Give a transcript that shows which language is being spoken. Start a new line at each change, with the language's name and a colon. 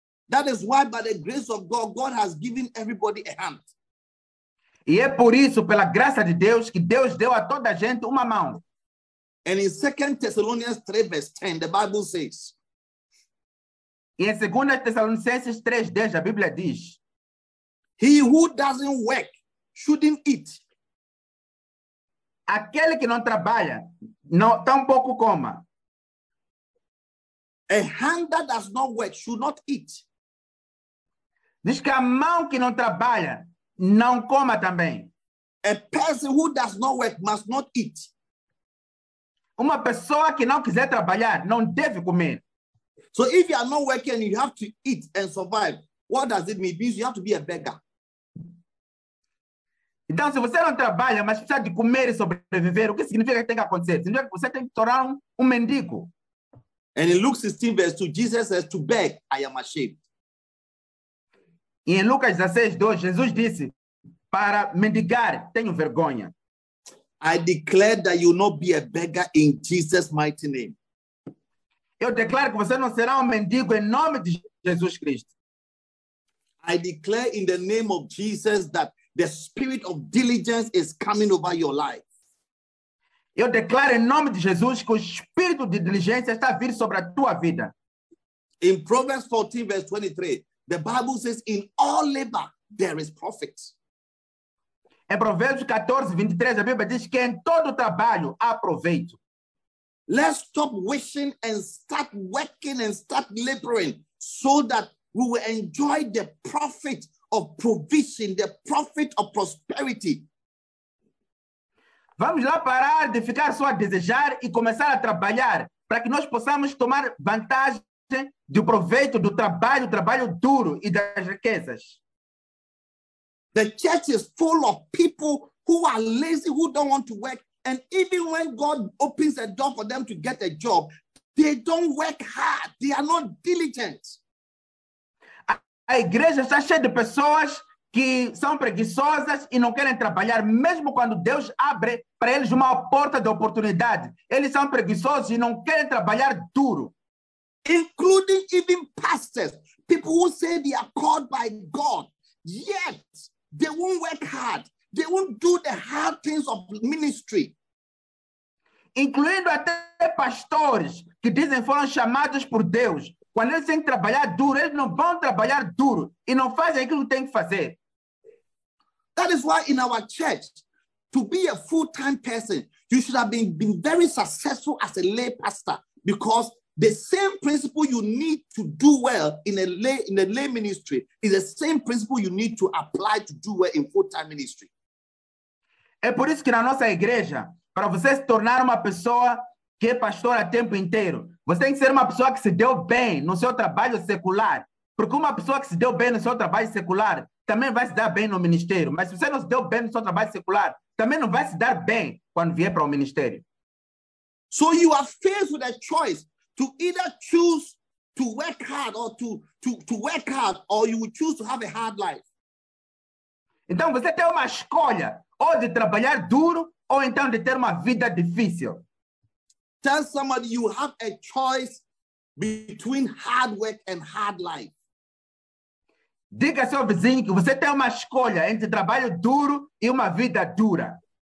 English: That is why, by the grace of God, God has given everybody a hand.
Portuguese: E é por isso, pela graça de Deus, que Deus deu a toda a gente uma mão.
English: And in 2 Thessalonians 3, verse 10, the Bible says,
Portuguese: E em 2 Tessalonicenses 3:10, a Bíblia diz:
English: He who doesn't work shouldn't eat.
Portuguese: Aquele que não trabalha, não, tampouco coma.
English: A hand that does not work should not eat.
Portuguese: Diz que a mão que não trabalha, não coma também.
English: A person who does not work must not eat.
Portuguese: Uma pessoa que não quiser trabalhar, não deve comer.
English: So if you are not working and you have to eat and survive, what does it mean? Because you have to be a beggar.
Portuguese: Então, se você não trabalha, mas precisa de comer e sobreviver, o que significa que tem que acontecer? Significa que você tem que tornar um mendigo.
English: And in Luke 16, verse 2, Jesus says, to beg, I am ashamed.
Portuguese: E em Lucas 16, 2, Jesus disse, para mendigar, tenho vergonha.
English: I declare that you will not be a beggar in Jesus' mighty name.
Portuguese: Eu declaro que você não será mendigo em nome de Jesus Cristo.
English: I declare in the name of Jesus that the spirit of diligence is coming over your life.
Portuguese: Eu declaro em nome de Jesus que o espírito de diligência está vindo sobre a tua vida.
English: In Proverbs 14, verse 23, the Bible says, in all labor there is profit.
Portuguese: Em Provérbios 14, 23, a Bíblia diz que em todo trabalho há proveito.
English: Let's stop wishing and start working and start laboring so that we will enjoy the profit of provision, the profit of prosperity.
Portuguese: Vamos lá parar de ficar só a desejar e começar a trabalhar para que nós possamos tomar vantagem do proveito do trabalho, trabalho duro e das riquezas.
English: The church is full of people who are lazy, who don't want to work. And even when God opens a door for them to get a job, they don't work hard. They are not diligent.
Portuguese: A igreja está cheia de pessoas que são preguiçosas e não querem trabalhar. Mesmo quando Deus abre para eles uma porta de oportunidade, eles são preguiçosos e não querem trabalhar duro.
English: Including even pastors, people who say they are called by God, yet they won't work hard. They won't do the hard things of ministry.
Portuguese: Incluindo até pastores que dizem foram chamados por Deus. Quando eles têm que trabalhar duro, eles não vão trabalhar duro e não fazem aquilo que têm que fazer.
English: That is why in our church, to be a full-time person, you should have been very successful as a lay pastor, because the same principle you need to do well in a lay ministry is the same principle you need to apply to do well in full-time ministry.
Portuguese: É por isso que na nossa igreja, para você se tornar uma pessoa que é pastor a tempo inteiro, você tem que ser uma pessoa que se deu bem no seu trabalho secular. Porque uma pessoa que se deu bem no seu trabalho secular também vai se dar bem no ministério. Mas se você não se deu bem no seu trabalho secular, também não vai se dar bem quando vier para o ministério.
English: So you are faced with a choice to either choose to work hard or to work hard, or you will choose to have a hard life.
Portuguese: Então você tem uma escolha, ou de trabalhar duro, ou então de ter uma vida difícil.
English: Tell somebody you have a choice between hard work and hard life.
Portuguese: Diga ao seu vizinho que você tem uma escolha entre trabalho duro e uma vida dura.